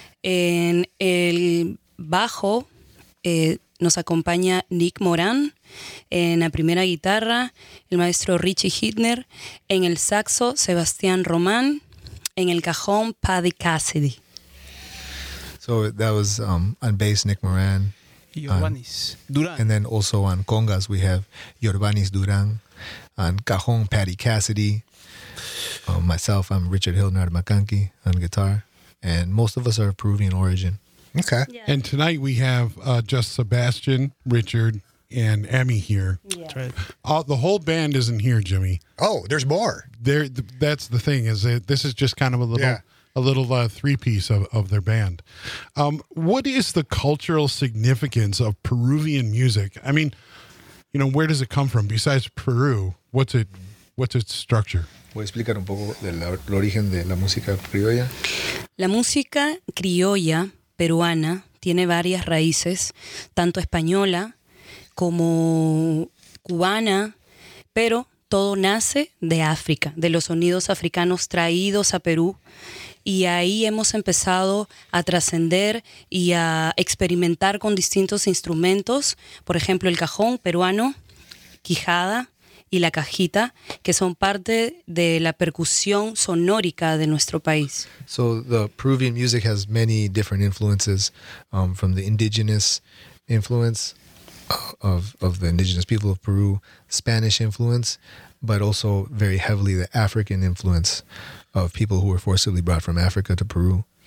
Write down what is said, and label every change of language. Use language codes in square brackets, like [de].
[es] En el bajo nos acompaña Nick Morán, en la primera guitarra el maestro Richie Hittner, en el saxo Sebastián Román, en el cajón Paddy Cassidy. [en] So that was on bass Nick Morán, Yorbanis Duran. And then also on congas, we have Yorbanis Duran. On cajon, Patty Cassidy. Myself, I'm Richard Hildner Makanki on guitar. And most of us are of Peruvian origin. Okay. Yeah. And tonight we have just Sebastian, Richard, and Emmy here. Yeah. The whole band isn't here, Jimmy. Oh, there's more. That's the thing, is that this is just kind of a little... Yeah. A little three-piece of their band. What is the cultural significance of Peruvian music? I mean, you know, where does it come from? Besides Peru, what's its structure? [es] Voy a explicar un poco el origen de la música criolla. La música criolla peruana tiene varias raíces, tanto española como cubana, pero todo nace de África, de los sonidos africanos traídos a Perú. Y ahí hemos empezado a trascender y a experimentar con distintos instrumentos, por ejemplo, el cajón peruano, quijada y la cajita, que son parte de la percusión sonórica de nuestro país. [en] So the Peruvian music has many different influences, from the indigenous influence of the indigenous people of Peru, Spanish influence, but also very heavily the African influence of people who were forcibly brought from Africa to Peru.